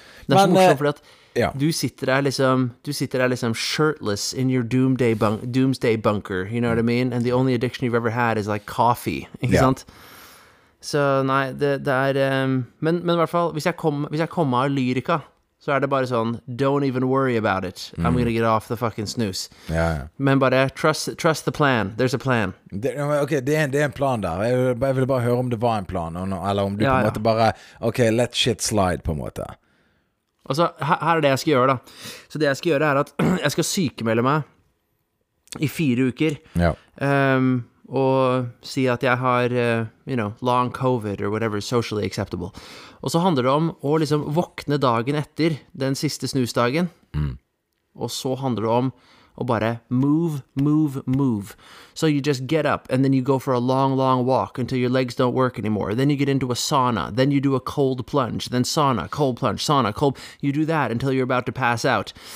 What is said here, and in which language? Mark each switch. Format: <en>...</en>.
<no>Det er men, så morsomt fordi at du sitter der liksom</no> <en>shirtless in your doomsday bunker, you know what I mean? And the only addiction you've ever had is like coffee,</en> <no>ikke sant? Så nei, det er, men i hvert fall, hvis jeg kommer av lyrika, så er det bare sånn,</no> <en>don't even worry about it. I'm gonna get off the fucking snooze.</en> <no>Ja, ja. Men bare,</no> <en>trust the plan. There's a plan.</en> <no>Det er en plan der. Jeg vil bare høre om det var en plan, eller om du måte bare, ok,</no> <en>let shit slide</en> <no>på en måte. Og så, her er det jeg skal gjøre da. Så det jeg skal gjøre er at jeg skal sykemelde meg i 4 uker. Ja. Og si at jeg har,</no> <en>long COVID or whatever, socially acceptable.</en> <no>Og så handler det om å liksom våkne dagen etter den siste snusdagen. Og så handler det om å bare move.</no> <en>So you just get up and then you go for a long, long walk until your legs don't work anymore. Then you get into a sauna. Then you do a cold plunge. Then sauna, cold plunge, sauna, cold. You do that until you're about to pass out.</en>